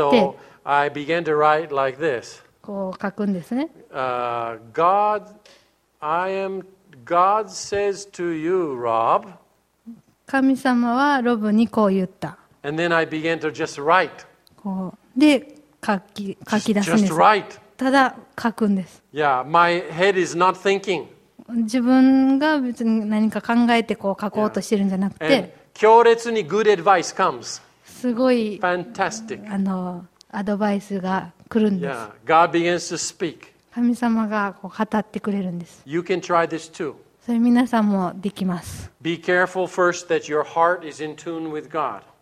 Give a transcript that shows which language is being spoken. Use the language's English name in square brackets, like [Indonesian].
[English] And so I began to write like this. [Japanese] こう書くんですね。 [English] God, I am, God says to you, Rob. [Japanese] 神様はロブにこう言った。 [English] And then I began to just write. [Japanese] こうで書き出すんです。 [English] Just write. [Japanese] ただ書くんです。 [English] Yeah, my head is not thinking. [Japanese] 自分が別に何か考えてこう書こうとしてるんじゃなくて、 [English] And [Japanese] 強烈に [English] good advice comes. [Japanese] すごい、 [English] Fantastic. [Japanese] アドバイスが来るんです。 [English] Yeah, God begins to speak. [Japanese] 神様がこう語ってくれるんです。 [English] You can try this too. [Japanese] それ皆さんもできます。 [English] Be careful first that your heart is in tune with God.